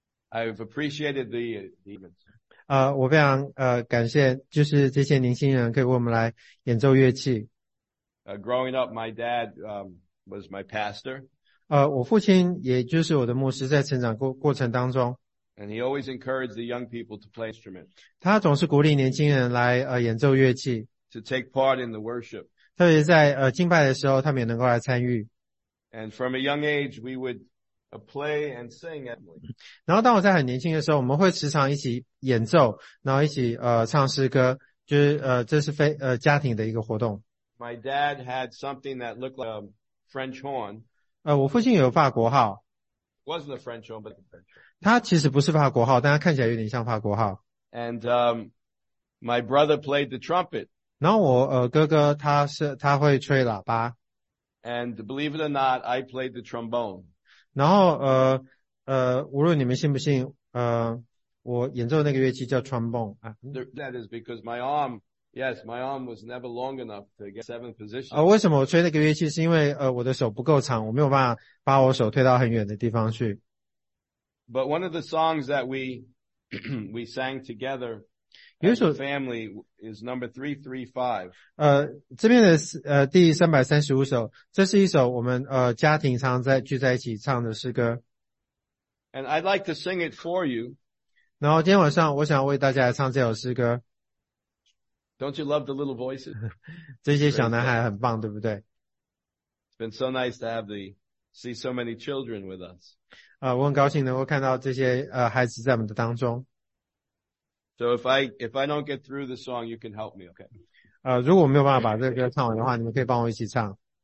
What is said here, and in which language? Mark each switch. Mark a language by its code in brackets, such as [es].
[en] I've appreciated the events. [zh] 我非常感谢就是这些年轻人可以为我们来演奏乐器。 [en] growing up, my dad, was my pastor. [zh] 我父亲也就是我的牧师，在成长 过程当中。 [en] And he always encouraged the young people to play instruments. [zh] 他总是鼓励年轻人来演奏乐器。 [en] To take part in the worship. [zh] 特别在敬拜的时候，他们也能够来参与。 [en] And from a young age, we would play and sing. [zh] 然后当我在很年轻的时候，我们会时常一起演奏，然后一起唱诗歌，就是这是非家庭的一个活动。 [en] My dad had something that looked like a French horn. [zh] 我父亲有法国号。 [en] It wasn't a French horn, but the French horn. [zh] 它其实不是法国号，但它看起来有点像法国号。 [en] And my brother played the trumpet. [zh] 然后我哥哥他会吹喇叭。 [en] And believe it or not, I played the trombone. [zh] 然后无论你们信不信，我演奏那个乐器叫 trombone. [en] That is because my arm. Yes, my arm was never long enough to get seventh position. [zh] 为什么我吹那个乐器？是因为我的手不够长，我没有办法把我手推到很远的地方去。 [en] But one of the songs that we sang together as a family is number 335. [zh] 这边的第335首，这是一首我们家庭常在聚在一起唱的诗歌。 [en] And I'd like to sing it for you. [zh] 然后今天晚上我想为大家来唱这首诗歌。 [en] Don't you love the little voices? [zh] 这些小男孩很棒，对不对？ [en] It's been so nice to see so many children with us. [zh] 我很高兴能够看到这些孩子在我们的当中。 [en] So if I don't get through the song, you can help me, okay? [zh] 如果我没有办法把这个歌唱完的话，你们可以帮我一起唱。